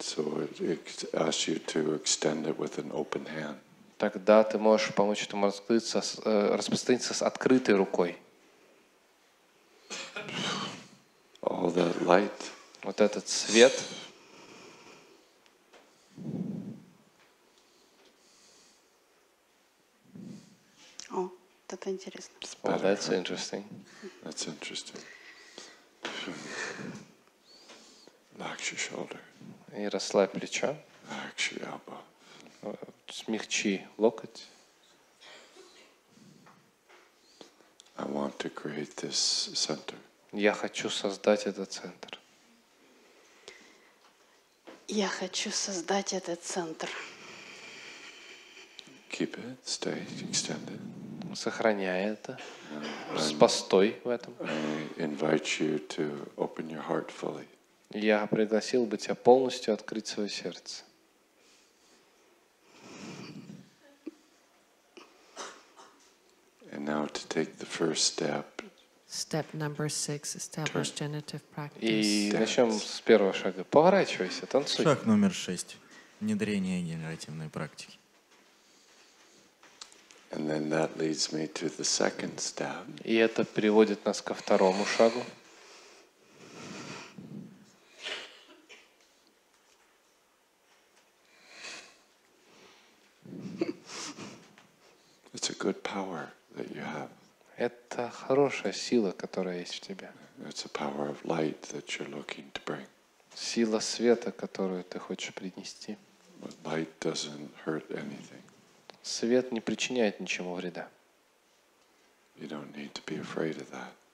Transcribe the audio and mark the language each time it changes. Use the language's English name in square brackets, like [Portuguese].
[English] So it asks you to extend it with an open hand. [Russian] Тогда ты можешь помочь этому раскрыться, распространиться с открытой рукой. [English] All that light. [Russian] Вот этот свет. О, это интересно. [English] Oh, that's interesting. That's interesting. Relax your shoulder. [Russian] И расслабь плечо. [English] Relax your elbow. [Russian] Смягчи локоть. [English] I want to create this center. [Russian] Я хочу создать этот центр. Я хочу создать этот центр. [English] Keep it, stay, extend it. [Russian] Сохраняй это. С постой в этом. [English] I invite you to open your heart fully. [Russian] Я пригласил бы тебя полностью открыть свое сердце. [English] And now to take the first step. Step number 6, establish genitive practice. [Russian] И начнем с первого шага. Поворачивайся, танцуй. Шаг номер 6. Внедрение генеративной практики. [English] And then that leads me to the second step. [Russian] И это приводит нас ко второму шагу. [English] It's a good power. That you have. [Russian] Это хорошая сила, которая есть в тебе. [English] It's a power of light that you're looking to bring. [Russian] Сила света, которую ты хочешь принести. [English] But light doesn't hurt anything. [Russian] Свет не причиняет ничему вреда. [English] You don't need to be afraid of that.